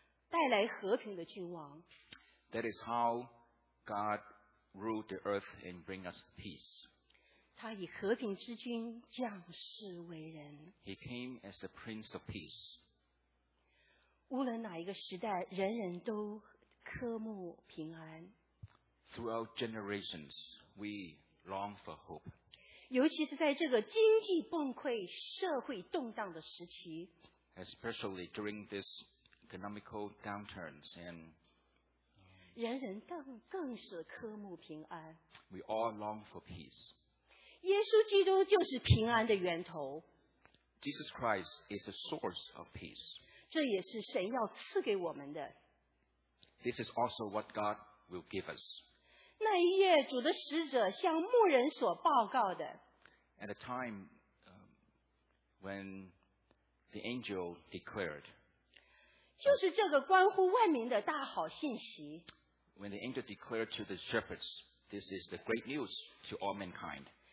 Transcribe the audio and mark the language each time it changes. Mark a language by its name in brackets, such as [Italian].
[Chinese] 这就是主弥赛亚是建立神的国，带来和平的君王。 [English] That is how God ruled the earth and bring us peace. [Chinese] 他以和平之君降世为人。 [English] He came as the Prince of Peace. [Chinese] 无论哪一个时代，人人都渴慕平安。 [English] Throughout generations, we long for hope. [Chinese] 尤其是在这个经济崩溃、社会动荡的时期, [English] especially during this economical downturns, and [Chinese] 人人更是渴慕平安。 [English] We all long for peace. [Chinese] 耶稣基督就是平安的源头。 [English] Jesus Christ is the source of peace. [Chinese] 这也是神要赐给我们的。 [English] This is also what God will give us. [Chinese] 那一夜，主的使者向牧人所报告的。 [English] At a time when the angel declared, [Chinese] 就是这个关乎万民的大好信息。 [English] When the angel declared to the shepherds, this is the great news to all mankind.